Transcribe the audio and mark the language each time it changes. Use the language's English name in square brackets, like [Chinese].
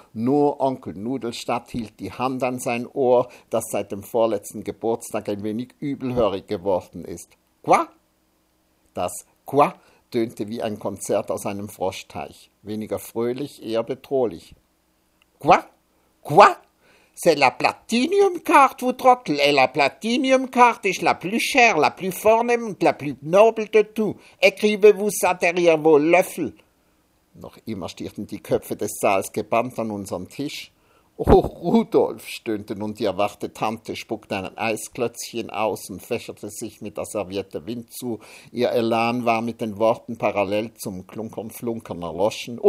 [German] Nur Onkel Nudelstadt hielt die Hand an sein Ohr, das seit dem vorletzten Geburtstag ein wenig übelhörig geworden ist. Qua? Das Qua tönte wie ein Konzert aus einem Froschteich. Weniger fröhlich, eher bedrohlich. Qua? Qua? [French] C'est la Platinium-Carte, vous trottel, et la Platinium-Carte [German] ist [French] la plus chère, la plus fornem [German] und [French] la plus noble de tout. Écrivez-vous ça derrière vos Löffel. [German] Noch immer stierten die Köpfe des Saals gebannt an unseren Tisch. Oh, Rudolf, stöhnte nun die erwachte Tante, spuckte ein Eisklötzchen aus und fächerte sich mit der Serviette Wind zu. Ihr Elan war mit den Worten parallel zum Klunkern-Flunkern erloschen.